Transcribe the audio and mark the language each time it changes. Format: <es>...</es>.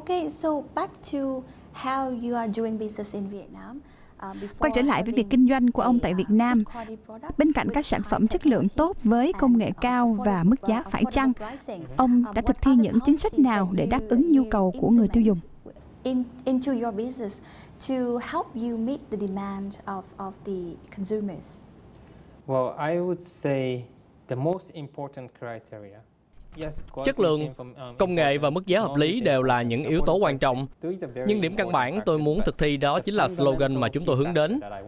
<en>So back to how you are doing business in Vietnam.</en> <vi>Quay trở lại với việc kinh doanh của ông tại Việt Nam, bên cạnh các sản phẩm chất lượng tốt với công nghệ cao và mức giá phải chăng, ông đã thực thi những chính sách nào để đáp ứng nhu cầu của người tiêu dùng?</vi> <en>Into your business to help you meet the demand of the consumers. Well, I would say the most important criteria.</en> <vi>Chất lượng, công nghệ và mức giá hợp lý đều là những yếu tố quan trọng. Nhưng điểm căn bản tôi muốn thực thi đó chính là slogan mà chúng tôi hướng đến.</vi>